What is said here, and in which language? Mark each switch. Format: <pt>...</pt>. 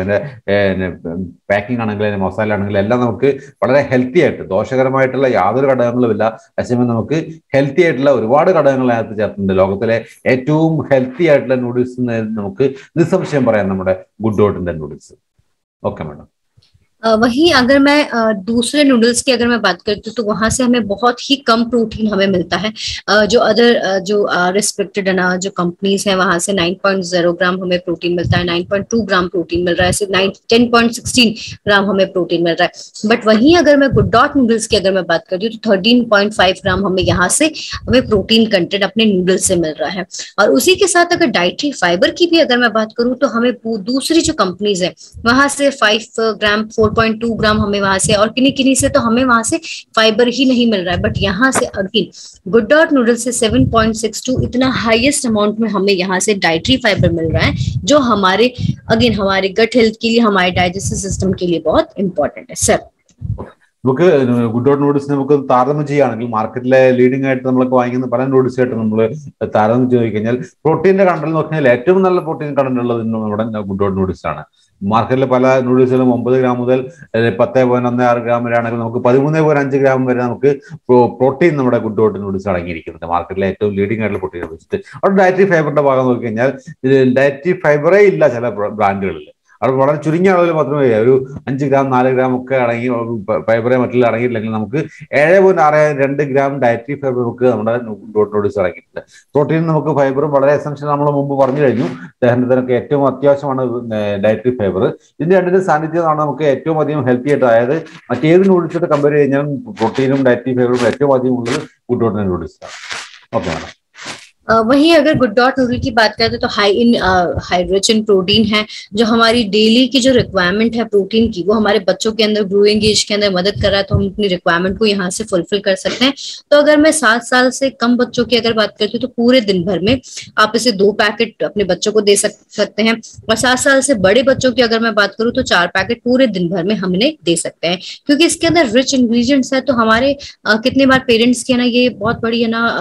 <ml>അതിന്റെ പാക്കിംഗ് ആണെങ്കിലും അതിന്റെ മസാല ആണെങ്കിലും എല്ലാം നമുക്ക് വളരെ ഹെൽത്തി ആയിട്ട് ദോഷകരമായിട്ടുള്ള യാതൊരു ഘടകങ്ങളും ഇല്ല. അതേസമയം നമുക്ക് ഹെൽത്തി ആയിട്ടുള്ള ഒരുപാട് ഘടകങ്ങൾ അതിനകത്ത് ചേർത്തുണ്ട്. ലോകത്തിലെ ഏറ്റവും ഹെൽത്തി ആയിട്ടുള്ള നൂഡിൽസ് നമുക്ക് നിസ്സംശയം പറയാം നമ്മുടെ ഗുഡ്ഡോട്ടിന്റെ നൂഡിൽസ്. ഓക്കെ മാഡം,</ml> <hi>वही अगर मैं दूसरे नूडल्स की अगर मैं बात करती हूँ तो वहां से हमें बहुत ही कम प्रोटीन हमें मिलता है. जो अदर जो रिस्पेक्टेड ना जो कंपनीज हैं वहां से 9.0 ग्राम हमें प्रोटीन मिलता है, 9.2 ग्राम प्रोटीन मिल रहा है, 10.16 ग्राम हमें प्रोटीन मिल रहा है. बट वहीं अगर मैं गुड डॉट नूडल्स की अगर मैं बात करती हूँ तो 13.5 ग्राम हमें यहाँ से हमें प्रोटीन कंटेंट अपने नूडल्स से मिल रहा है. और उसी के साथ अगर डाइट्री फाइबर की भी अगर मैं बात करूँ तो हमें दूसरी जो कंपनीज है वहां से 4.2 ग्राम हमें वहां से और किन्नी किन्नी से तो हमें वहां से फाइबर ही नहीं मिल रहा है. बट यहाँ से अगेन गुड डॉट नूडल से 7.62 इतना हाईएस्ट अमाउंट में हमें यहाँ से डाइट्री फाइबर मिल रहा है जो हमारे अगेन हमारे गट हेल्थ के लिए हमारे डाइजेस्टिव सिस्टम के लिए बहुत इंपॉर्टेंट है सर.</hi> <ml>നമുക്ക് ഗുഡ് ഡോട്ട് നൂഡിൽസിനെ നമുക്ക് താരതമ്യം ചെയ്യുകയാണെങ്കിൽ മാർക്കറ്റിലെ ലീഡിംഗ് ആയിട്ട് നമ്മളൊക്കെ വാങ്ങിക്കുന്ന പല നൂഡിൽസ് ആയിട്ട് നമ്മൾ താരതമ്യം ചെയ്തുകഴിഞ്ഞാൽ പ്രോട്ടീൻ്റെ കണ്ടൽ നോക്കിയാൽ ഏറ്റവും നല്ല പ്രോട്ടീൻ കണ്ടൻ്റ് ഉള്ളത് നമ്മുടെ ഗുഡ് ഡോട്ട് നൂഡിൽസാണ്. മാർക്കറ്റിലെ പല നൂഡിൽസുകളും 9 ഗ്രാം മുതൽ 10.16 ഗ്രാം വരെ ആണെങ്കിൽ നമുക്ക് 13.5 ഗ്രാം വരെ നമുക്ക് പ്രോട്ടീൻ നമ്മുടെ ഗുഡ് ഡോട്ട് നൂഡിൽസ് അടങ്ങിയിരിക്കുന്നുണ്ട്. മാർക്കറ്റിലെ ഏറ്റവും ലീഡിംഗ് ആയിട്ടുള്ള പ്രോട്ടീൻ വെച്ചിട്ട് അവിടെ ഡയറ്ററി ഫൈബറിൻ്റെ ഭാഗം നോക്കിക്കഴിഞ്ഞാൽ ഡയറ്ററി ഫൈബറേ ഇല്ല ചില ബ്രാൻഡുകളിൽ. അത് വളരെ ചുരുങ്ങിയ അളവിൽ മാത്രമേ ഒരു 5 ഗ്രാം 4 ഗ്രാം ഒക്കെ അടങ്ങി ഫൈബറേ മറ്റുള്ള അടങ്ങിയിട്ടില്ലെങ്കിൽ നമുക്ക് 7.62 ഗ്രാം ഡയറ്ററി ഫൈബർ നമുക്ക് നമ്മുടെ ഡോട്ട് നൂഡിൽസ് അടങ്ങിയിട്ടുണ്ട്. പ്രോട്ടീൻ നമുക്ക് ഫൈബറും വളരെ എസൻഷ്യൽ നമ്മൾ മുമ്പ് പറഞ്ഞു കഴിഞ്ഞു. ദഹനത്തിനൊക്കെ ഏറ്റവും അത്യാവശ്യമാണ് ഡയറ്ററി ഫൈബർ. ഇതിൻ്റെ രണ്ടിൻ്റെ സാന്നിധ്യമാണ് നമുക്ക് ഏറ്റവും അധികം ഹെൽത്തി ആയിട്ട്. അതായത് മറ്റേത് നൂഡിൽസിനോട് കമ്പയർ ചെയ്യുന്നാലും പ്രോട്ടീനും ഡയറ്ററി ഫൈബറും ഏറ്റവും അധികം ഉള്ളത് ഗുഡ് ഡോട്ട് നൂഡിൽസ് ആണ്. ഓക്കെ മാഡം,</ml> <hi>वहीं अगर गुड डॉट नूडल की बात करते तो हाई इन हाइड्रोजन प्रोटीन है, जो हमारी डेली की जो रिक्वायरमेंट है प्रोटीन की, वो हमारे बच्चों के अंदर ग्रोइंग एज के अंदर मदद कर रहा है, तो हम अपनी रिक्वायरमेंट को यहाँ से फुलफिल कर सकते हैं। तो अगर मैं 7 साल से कम बच्चों की अगर बात करती हूँ, तो पूरे दिन भर में आप इसे 2 पैकेट अपने बच्चों को दे सकते हैं, और 7 साल से बड़े बच्चों की अगर मैं बात करूँ तो 4 पैकेट पूरे दिन भर में हमने दे सकते हैं, क्योंकि इसके अंदर रिच इंग्रीडियंट्स है। तो हमारे कितने बार पेरेंट्स की ना ये बहुत बड़ी है ना</hi>